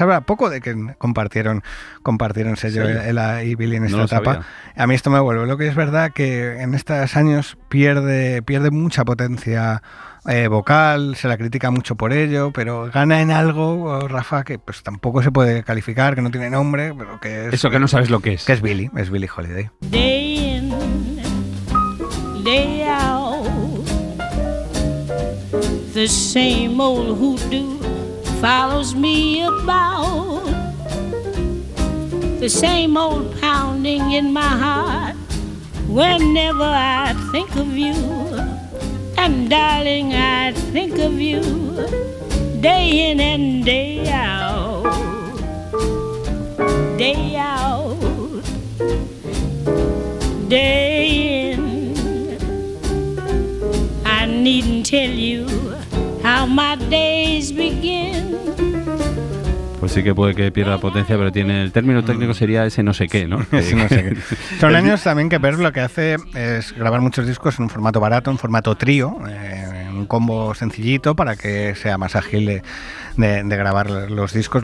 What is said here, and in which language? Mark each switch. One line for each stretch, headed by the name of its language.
Spanish: Habrá poco de que compartieron sello él y Billie en esta etapa. Sabía. A mí esto me vuelve. Lo que es verdad que en estos años pierde mucha potencia vocal, se la critica mucho por ello, pero gana en algo, Rafa, que pues tampoco se puede calificar, que no tiene nombre, pero que es... Eso que no sabes lo que es. Que es Billie Holiday.
English: Day in, day out, the same old hoodoo follows me about, the same old pounding in my heart whenever I think of you. And darling, I think of you day in and day out, day out, day in. I needn't tell you how my days begin.
Spanish: Pues sí que puede que pierda potencia, pero tiene el término técnico sería ese no sé qué, ¿no? Sí, no sé qué. Son años también que Pearl lo que hace es grabar muchos discos en un formato barato, en formato trío, en un combo sencillito para que sea más ágil de grabar los discos.